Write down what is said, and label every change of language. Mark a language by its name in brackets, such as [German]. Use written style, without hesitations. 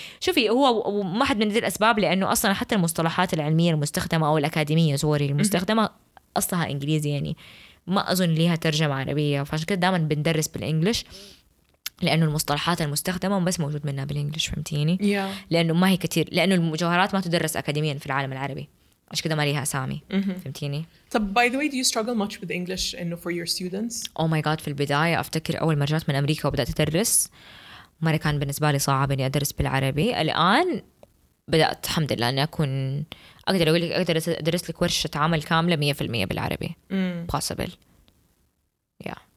[Arabic] شوفي, هو ما حد من ذي الأسباب, لأنه أصلا حتى المصطلحات العلمية المستخدمة أو الأكاديمية صوري المستخدمة أصلها إنجليزي, يعني ما أظن ليها ترجمة عربية. فعشان كده دائما بندرس بالإنجليش, لأنه المصطلحات المستخدمة بس موجود منها بالإنجليش, فهمتيني؟ لأنه ما هي كتير, لأنه المجوهرات ما تدرس أكاديميا في العالم العربي, عشان كده ما ليها أسامي, فهمتيني؟ طب [English] by the way, do you struggle much with English and for your students? Oh my god, [Arabic] في البداية أفتكر أول ما رجعت من أمريكا وبدأت أدرس, مرة كان بالنسبة لي صعب إني أدرس بالعربي. الآن بدأت الحمد لله إني أكون أقدر أقول لك أقدر أدرس لك ورشة عمل كاملة 100% بالعربي. [English] Possible. Yeah.